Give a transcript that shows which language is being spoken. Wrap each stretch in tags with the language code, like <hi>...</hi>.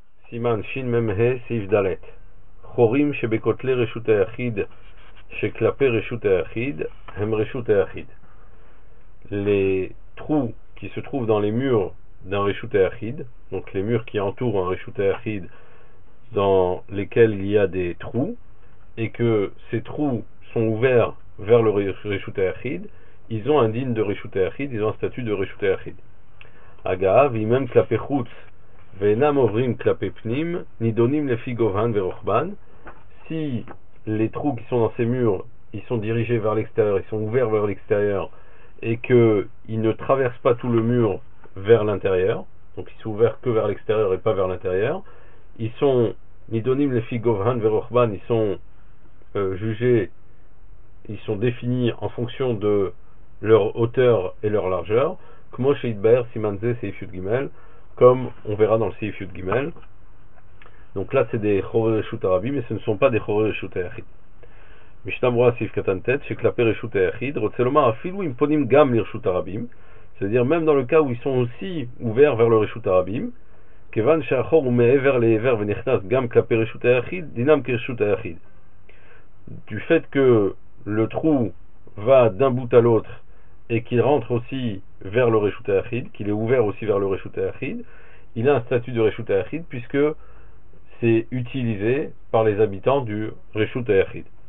<he>סימן שמ"ה סעיף ד', חורים שבכותלי רשות היחיד שכלפי רשות היחיד הם רשות היחיד.</he> <fr>Les trous qui se trouvent dans les murs d'un רשות היחיד, donc les murs qui entourent un רשות היחיד, dans lesquels il y a des trous, et que ces trous sont ouverts vers le רשות היחיד, ils ont un din de רשות היחיד, ils ont un statut de רשות היחיד.</fr> <he>אגב, אם הם כלפי חוץ ואינם עוברים כלפי פנים, נידונים לפי גובהן ורוחבן.</he> <fr>Si les trous qui sont dans ces murs, ils sont dirigés vers l'extérieur, ils sont ouverts vers l'extérieur, et qu'ils ne traversent pas tout le mur vers l'intérieur, donc ils sont ouverts que vers l'extérieur et pas vers l'intérieur, ils sont</fr> <he>nidonim lefi govhan verochban,</he> <fr>ils sont jugés, ils sont définis en fonction de leur hauteur et leur largeur,</fr> <he>k'mo sheitbaer simanze seif yud gimel,</he> <fr>comme on verra dans le seif yud gimel. Donc là c'est des chorei reshut arabim, mais ce ne sont pas des chorei reshut hayachid.</fr> <he>משנה ברורה סעיף קטן ט' שכלפי רשות היחיד רוצה לומר אפילו אם פונים גם לרשות הרבים,</he> <fr>c'est-à-dire même dans le cas où ils sont aussi ouverts vers le רשות הרבים,</fr> <he>כיוון שהחור הוא מעבר לעבר ונכנס גם כלפי רשות היחיד, דינם כרשות היחיד.</he> <fr>Du fait que le trou va d'un bout à l'autre et qu'il rentre aussi vers le רשות היחיד, qu'il est ouvert aussi vers le רשות היחיד, il a un statut de רשות היחיד puisque c'est utilisé par les habitants du רשות היחיד.</fr>